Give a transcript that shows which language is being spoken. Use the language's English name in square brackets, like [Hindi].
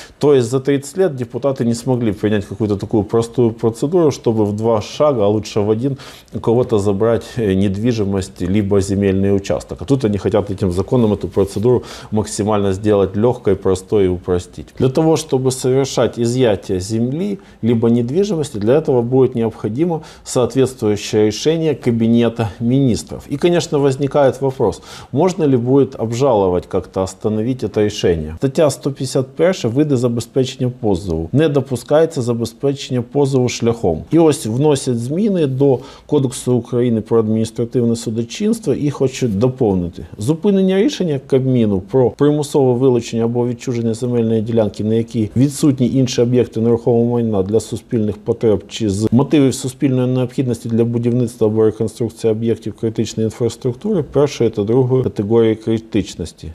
[Ukrainian] Тобто за 30 років депутати не змогли прийняти якусь таку просту процедуру, щоб в два шаги, а краще в один, кого-то забрати недвіжимость або земельний участок. А тут вони хочуть цим законом цю процедуру максимально зробити легкою, простою і упростити. [Russian] Для того, щоб совершати ізъяття землі або недвіжимості, для цього будет необходимо соответствующее решение Кабинета министров. И, конечно, возникает вопрос, можно ли будет обжаловать, как-то остановить это решение. [Ukrainian] Статья 151 «Види забезпечення позову». Не допускается забезпечення позову шляхом. [Russian] И вот вносят [Ukrainian] зміни до Кодексу України про адміністративне судочинство и хочуть доповнити. Зупинення рішення Кабміну про примусове вилучення або відчуження земельної ділянки, на якій відсутні інші об'єкти нерухомого майна для суспільних потреб чи з мотивів суспільної необхідності для будівництва або реконструкції об'єктів критичної інфраструктури першої та другої категорії критичності.